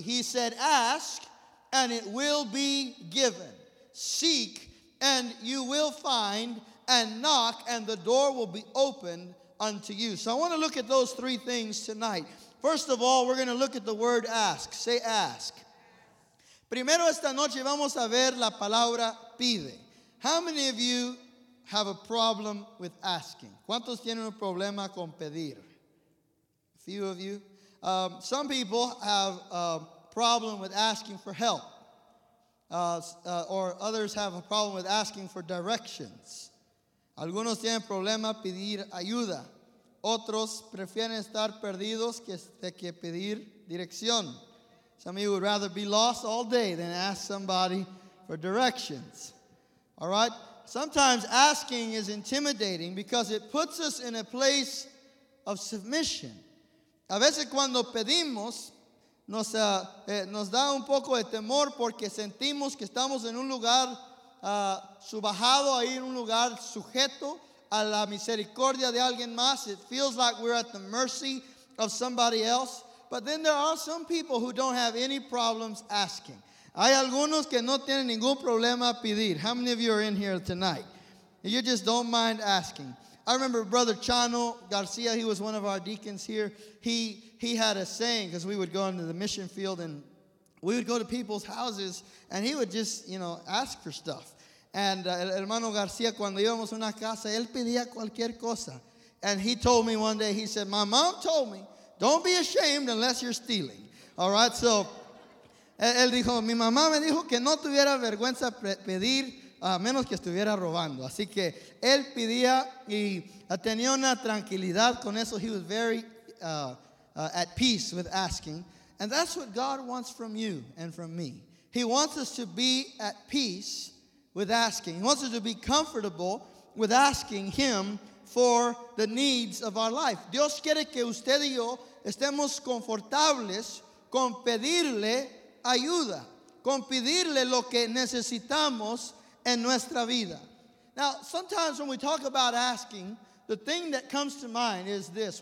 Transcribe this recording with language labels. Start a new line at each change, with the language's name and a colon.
English: He said, "Ask, and it will be given. Seek, and you will find, and knock, and the door will be opened unto you." So I want to look at those three things tonight. First of all, we're going to look at the word ask. Say ask.
Spanish: Primero esta noche vamos a ver la palabra pide.
English: How many of you have a problem with asking?
Spanish: ¿Cuántos tienen un problema con pedir?
English: A few of you. Some people have a problem with asking for help. Or others have a problem with asking for directions.
Spanish: Algunos tienen problema pedir ayuda. Otros prefieren estar perdidos que pedir dirección.
English: Some of you would rather be lost all day than ask somebody for directions. All right? Sometimes asking is intimidating because it puts us in a place of submission.
Spanish: A veces cuando pedimos, nos da un poco de temor porque sentimos que estamos en un lugar subajado, ahí en un lugar sujeto a la misericordia de alguien más.
English: It feels like we're at the mercy of somebody else. But then there are some people who don't have any problems asking.
Spanish: Hay algunos que no tienen ningún problema pedir.
English: How many of you are in here tonight? You just don't mind asking. I remember Brother Chano Garcia, he was one of our deacons here. He had a saying, because we would go into the mission field and we would go to people's houses and he would just, you know, ask for stuff.
Spanish: And hermano Garcia, cuando íbamos a una casa, él pedía cualquier cosa.
English: And he told me one day, he said, "My mom told me, don't be ashamed unless you're stealing." All right, so
Spanish: él dijo, mi mamá me dijo que no tuviera vergüenza pedir a menos que estuviera robando. Así que él pidía y tenía una tranquilidad con eso.
English: He was very at peace with asking. And that's what God wants from you and from me. He wants us to be at peace with asking. He wants us to be comfortable with asking Him for the needs of our life.
Spanish: Dios quiere que usted y yo estemos confortables con pedirle ayuda, con pedirle lo que necesitamos en nuestra vida.
English: Now, sometimes when we talk about asking, the thing that comes to mind is this.